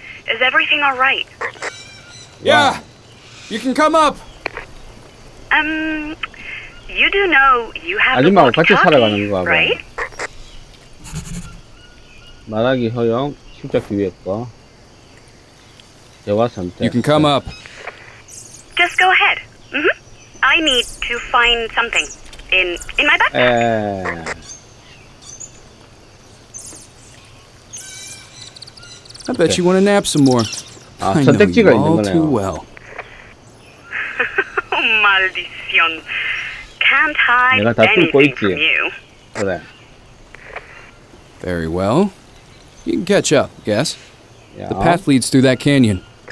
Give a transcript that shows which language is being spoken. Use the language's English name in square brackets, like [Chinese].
[English] Is everything all right? Yeah! You can come up! You do know you have a walkie-talkie, right? [Korean] 말하기 허용, 십자 기회였고. 대화 선택. [English] You can come up. Just go ahead. Mm-hmm. I need to find something in my backpack. 아, bet you want to nap some more. [Korean] 아, 선택지가 있는 거네요. [Spanish] Maldición. [English] Can't hide anything from you. [Korean] 그래. [English] Very well. You can catch up, yes? The path leads through that canyon.